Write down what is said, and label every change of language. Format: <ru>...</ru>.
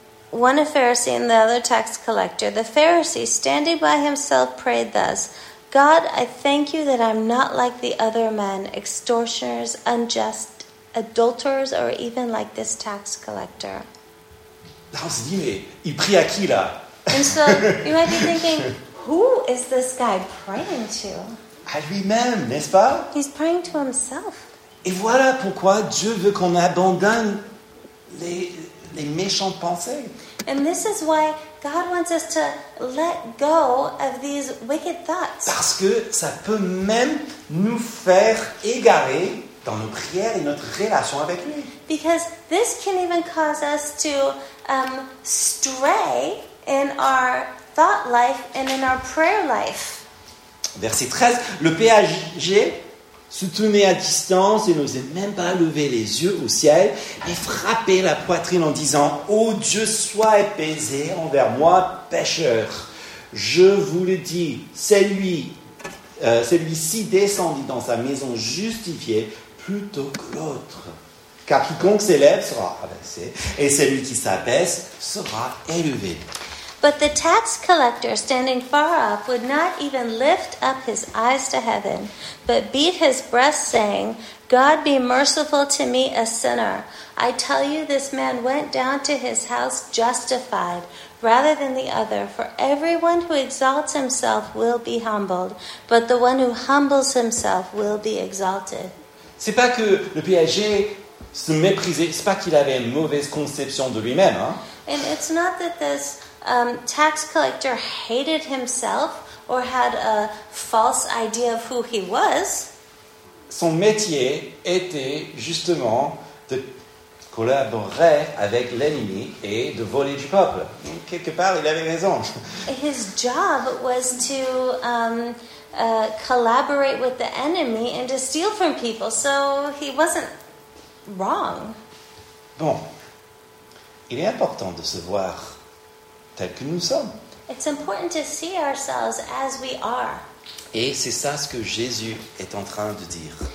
<en>One a Pharisee and the other tax collector. The Pharisee, standing by himself, prayed thus, God, I thank you that I'm not like the other men, extortioners, unjust, adulterers, or even like this tax collector.</en> <fr>On se dit, mais il prie à qui là?</fr> <en>And so you might be thinking, who is this guy praying to?</en> <fr>À lui-même, n'est-ce pas?</fr> <en>He's praying to himself.</en> <fr>Et voilà pourquoi Dieu veut qu'on abandonne les méchantes pensées.</fr> <en>And this is why God wants us to let go of these wicked thoughts.</en> <fr>Parce que ça peut même nous faire égarer dans nos prières et notre relation avec lui.</fr> <en>Because this can even cause us to stray in our thought life and in our prayer life.</en> <fr>Verset 13, le péager se tenait à distance et n'osait même pas lever les yeux au ciel et frapper la poitrine en disant, ô Dieu, sois apaisé envers moi, pécheur. Je vous le dis, celui-ci descendit dans sa maison justifié plutôt que l'autre. Car quiconque s'élève sera abaissé et celui qui s'abaisse sera élevé.</fr> <en>But the tax collector, standing far off, would not even lift up his eyes to heaven, but beat his breast, saying, God, be merciful to me, a sinner. I tell you, this man went down to his house justified, rather than the other. For everyone who exalts himself will be humbled, but the one who humbles himself will be exalted.</en> <fr>C'est pas que le péager se méprisait, c'est pas qu'il avait une mauvaise conception de lui-même, hein?</fr> <en>And it's not that this tax collector hated himself or had a false idea of who he was.</en> <fr>Son métier était justement de collaborer avec l'ennemi et de voler du peuple. Quelque part, il avait raison.</fr> <en>His job was to collaborate with the enemy and to steal from people, so he wasn't wrong.</en> <fr>Bon, il est important de se voir tel que nous sommes.</fr> <en>It's important to see ourselves as we are.</en> <fr>Et c'est ça ce que Jésus est en train de dire.</fr>